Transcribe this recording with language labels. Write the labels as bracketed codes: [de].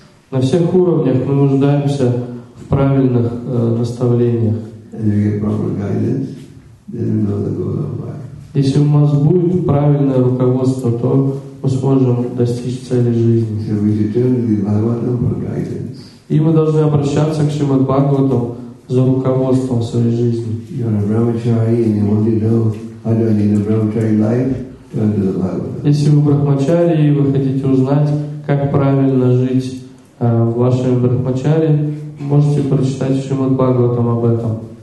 [ru] На всех уровнях мы нуждаемся в правильных наставлениях. [en] And you get proper guidance, then you know the goal of life. [ru] Если у нас будет правильное руководство, то мы сможем достичь цели жизни. [en] So we should turn to the Bhagavatam for guidance. [ru] И мы должны обращаться к Шримад Бхагаватам за руководством в своей жизни. [en] You're a brahmachari and you want to know how do I lead a brahmachari life, turn to the Bhagavatam. [ru] Если вы брахмачари и вы хотите узнать, как правильно жить в вашем брахмачари, можете прочитать Шримад Бхагаватам об этом.